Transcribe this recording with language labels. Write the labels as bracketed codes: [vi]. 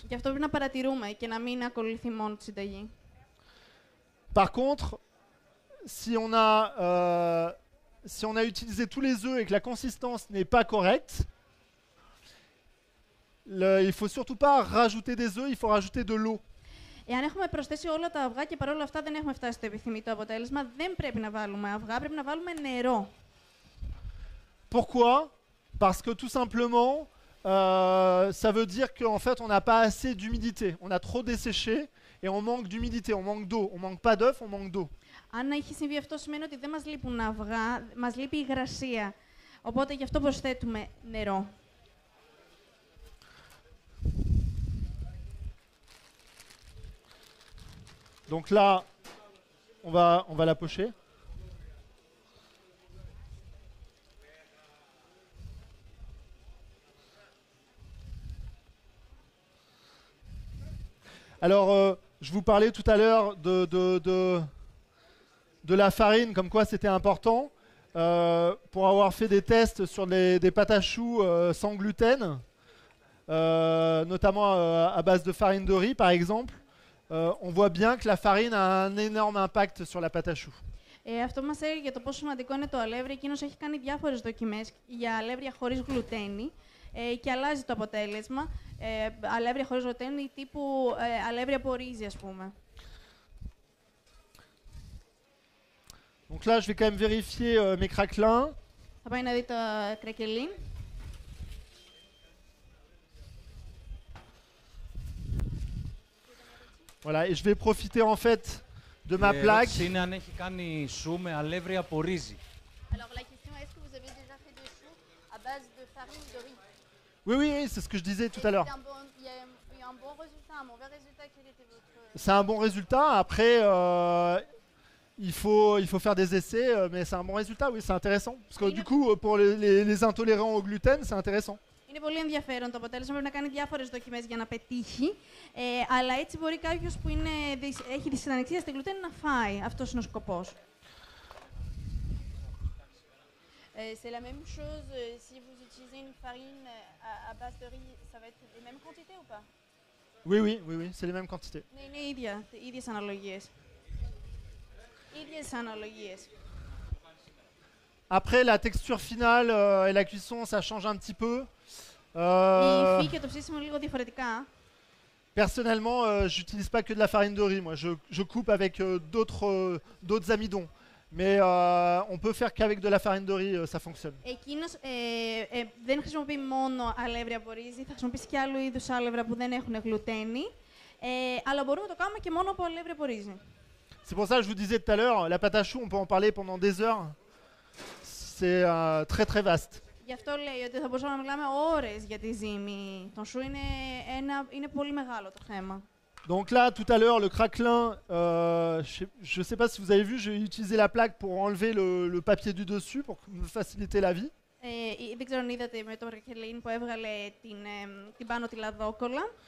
[el] Γι' αυτό πρέπει να παρατηρούμε και να μην ακολουθεί μόνο τη συνταγή. [fr] Par contre, si on a utilisé tous les œufs et que la consistance n'est pas correcte, il faut surtout pas rajouter des œufs, il faut rajouter de l'eau. [el] Εάν έχουμε προσθέσει όλα τα αυγά και παρόλα αυτά δεν έχουμε φτάσει στο επιθυμητό αποτέλεσμα, δεν πρέπει να βάλουμε αυγά, πρέπει να βάλουμε νερό. [fr] Pourquoi? Parce que tout simplement, ça veut dire qu'en fait, on n'a pas assez d'humidité. On a trop desséché et on manque d'humidité, on manque d'eau. On manque pas d'œuf, on manque d'eau. [el] Αν έχει συμβεί αυτό, σημαίνει ότι δεν μας λείπουν αυγά, μας λείπει υγρασία. Οπότε γι' αυτό προσθέτουμε νερό. [fr] Donc là, on va la pocher. Alors, je vous parlais tout à l'heure de la farine, comme quoi c'était important, pour avoir fait des tests sur des pâtes à choux sans gluten, notamment à base de farine de riz, par exemple. On voit bien que la farine a un énorme impact sur la pâte à choux. [el] Αυτό μας έλεγε για το πόσο σημαντικό είναι το αλεύρι. Εκείνος έχει κάνει διάφορες δοκιμές για αλεύρια χωρίς γλουτένι και αλλάζει το αποτέλεσμα. Αλεύρια χωρίς γλουτένι τύπου αλεύρι από ρύζι, ας πούμε. [fr] Donc là, je vais quand même vérifier mes craquelins. [el] Θα πάει να δει το κρακελί. [fr] Voilà, et je vais profiter en fait de ma plaque. [el] Ερώτηση είναι αν έχει κάνει σου με αλεύρι από ρύζι. [fr] Alors la question est, est-ce que vous avez déjà fait des choux à base de farine de riz? Oui, oui, oui, c'est ce que je disais tout à l'heure. Il y a un bon résultat, un mauvais résultat, quel était votre... C'est un bon résultat, après il faut faire des essais, mais c'est un bon résultat, oui, c'est intéressant. Parce que du coup, pour les intolérants au gluten, c'est intéressant. [el] Είναι πολύ ενδιαφέρον το αποτέλεσμα. Πρέπει να κάνει διάφορες δοκιμές για να πετύχει. Αλλά έτσι μπορεί κάποιος που έχει δυσανεξία στη γλουτένη να φάει. Αυτός είναι ο σκοπός. [fr] C'est la même chose si vous utilisez une farine à base de riz, ça va être les mêmes quantités ou pas? Oui, oui, oui, oui, c'est les mêmes quantités. [el] Ναι, είναι ίδια. Ίδιες αναλογίες. Ίδιες αναλογίες. [fr] Après, la texture finale et la cuisson, ça change un petit peu. [el] Η υφή και το ψήσιμο λίγο διαφορετικά. [fr] Personnellement, j'utilise pas que de la farine de riz. Moi, je coupe avec d'autres amidons. Mais on peut faire qu'avec de la farine de riz, ça fonctionne. [el] Εκείνος δεν χρησιμοποιεί μόνο αλεύρι από ρύζι. Θα χρησιμοποιήσει και άλλου είδους αλεύρια που δεν έχουν γλουτένι. Αλλά μπορούμε να το κάνουμε και μόνο από αλεύρι από ρύζι. [fr] C'est pour ça que je vous disais tout à l'heure, la pâte à choux, on peut en parler pendant des heures. C'est très très vaste. [el] Γι' αυτό λέει ότι θα μπορούσαμε να μιλάμε ώρες για τη ζύμη. Το σου είναι πολύ μεγάλο το θέμα. [fr] Donc là, tout à l'heure, le craquelin, je ne sais pas si vous avez vu, j'ai utilisé la plaque pour enlever le papier du dessus, pour me faciliter la vie. [el] Δεν ξέρω αν είδατε με το κρακελίν που έβγαλε την πάνω τη λαδόκολλα.